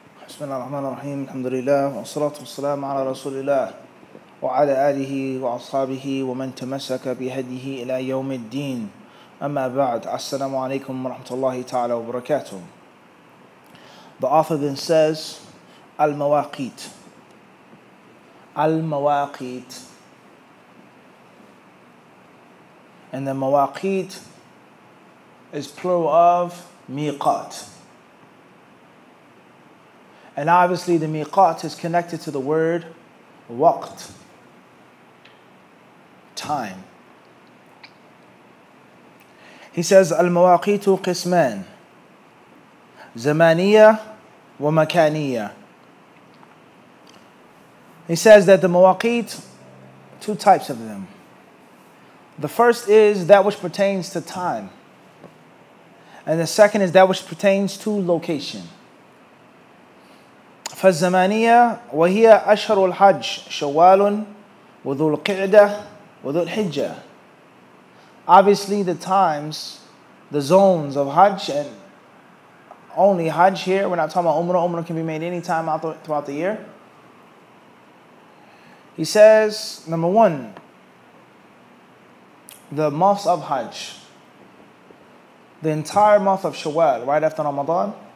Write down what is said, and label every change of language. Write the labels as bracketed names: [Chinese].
[Arabic] بسم الله الرحمن الرحيم الحمد لله والصلاة والسلام على رسول الله وعلى آله وأصحابه ومن تمسك بهديه إلى يوم الدين أما بعد السلام عليكم ورحمة الله تعالى وبركاته. [English] The author then says [Arabic] المواقيت المواقيت [English] and the مواقيت is plural of ميقات. And obviously the miqat is connected to the word waqt, time. He says, [Arabic] al-mawaqitu qisman, zamaniya wa makaniya. [English] He says that the mawaqit, two types of them. The first is that which pertains to time. And the second is that which pertains to location. [Arabic] فالزمانية وهي أشهر الحج شوال وذو القعدة وذو الحجة. [English] Obviously the times, the zones of Hajj, and only Hajj here, we're not talking about Umrah. Umrah can be made any time throughout the year. He says, number one, the months of Hajj, the entire month of Shawwal, right after Ramadan.